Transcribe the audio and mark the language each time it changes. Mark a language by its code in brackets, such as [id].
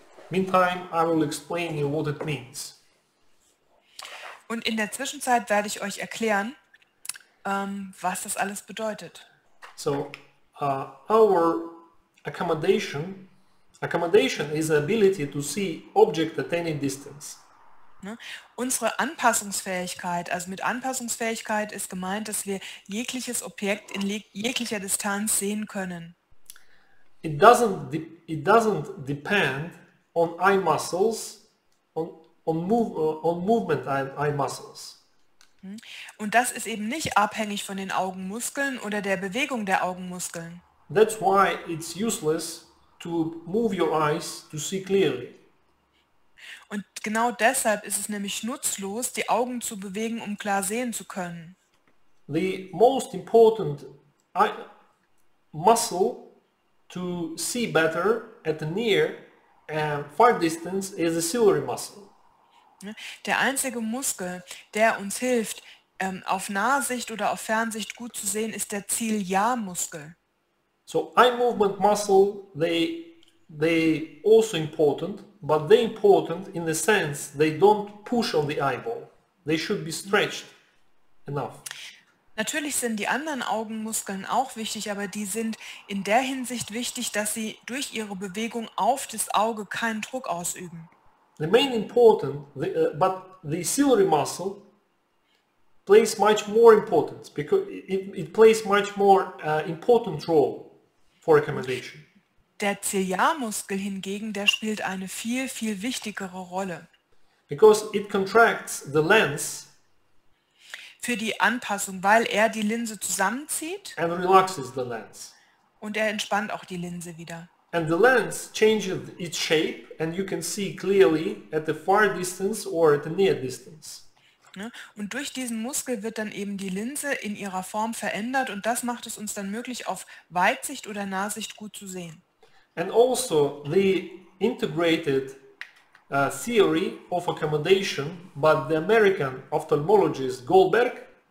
[en] Meantime, I will explain you what it means. [de] Und in der Zwischenzeit werde ich euch erklären, was das alles bedeutet. [en] So, our accommodation is the ability to see object at any distance. [de] Unsere Anpassungsfähigkeit, also mit Anpassungsfähigkeit ist gemeint, dass wir jegliches Objekt in jeglicher Distanz sehen können. [en] It doesn't depend on eye muscles, on movement eye muscles. [de] Und das ist eben nicht abhängig von den Augenmuskeln oder der Bewegung der Augenmuskeln. [en] That's why it's useless to move your eyes to see clearly. [de] Und genau deshalb ist es nämlich nutzlos, die Augen zu bewegen, um klar sehen zu können. [en] The most important muscle to see better at the near and far distance is the ciliary muscle. [de] Der einzige Muskel, der uns hilft, auf Nahsicht oder auf Fernsicht gut zu sehen, ist der Ziliarmuskel. [en] So eye movement muscle, they also important, but they important in the sense they don't push on the eyeball. They should be stretched enough. [de] Natürlich sind die anderen Augenmuskeln auch wichtig, aber die sind in der Hinsicht wichtig, dass sie durch ihre Bewegung auf das Auge keinen Druck ausüben. [en] The main important, but the ciliary muscle plays much more importance because it plays much more important role for accommodation. [de] Der Ziliarmuskel hingegen, der spielt eine viel, viel wichtigere Rolle. [en] Because it contracts the lens. [de] Für die Anpassung, weil er die Linse zusammenzieht. [en] And relaxes the lens. [de] Und er entspannt auch die Linse wieder. [en] And the lens changes its shape and you can see clearly at the far distance or at the near distance. [de] Und durch diesen Muskel wird dann eben die Linse in ihrer Form verändert und das macht es uns dann möglich, auf Weitsicht oder Nahsicht gut zu sehen. [en] And also the integrated theory of accommodation by the American ophthalmologist Goldberg.